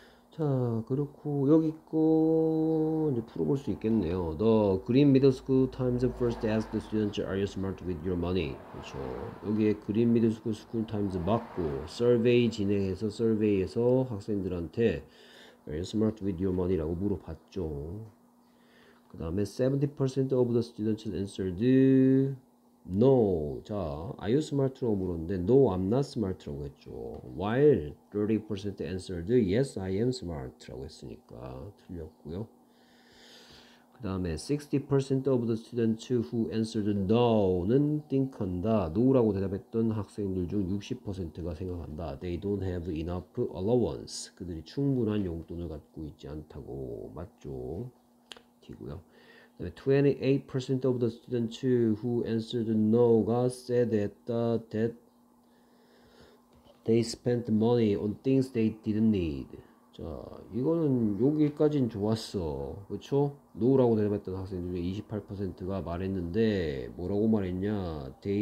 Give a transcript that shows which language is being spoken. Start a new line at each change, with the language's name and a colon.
Korean: 자, 그렇고 여기 거 이제 풀어볼 수 있겠네요.
English: The Green Middle School Times first asked the students, "Are you smart with your money?"
Korean: 그렇죠. 여기에 Green Middle School School Times 맞고, survey 진행해서 survey에서 학생들한테
English: "Are you smart with your money?"
Korean: 라고 물어봤죠. 그다음에
English: 70% of the students answered, No.
Korean: 자,
English: Are you smart?
Korean: 라고 물었는데
English: No, I'm not smart
Korean: 라고 했죠.
English: While 30% answered Yes, I am smart라고
Korean: 했으니까 틀렸고요. 그 다음에
English: 60% of the students who answered No는 think한다.
Korean: No라고 대답했던 학생들 중 60%가 생각한다.
English: They don't have enough allowance.
Korean: 그들이 충분한 용돈을 갖고 있지 않다고 맞죠. 티고요.
English: 28% of the students who answered no가 said that they spent money on things they didn't need.
Korean: 자, 이거는 여기까진 좋았어. 그쵸? no라고 대답했던 학생 중에 28%가 말했는데, 뭐라고 말했냐?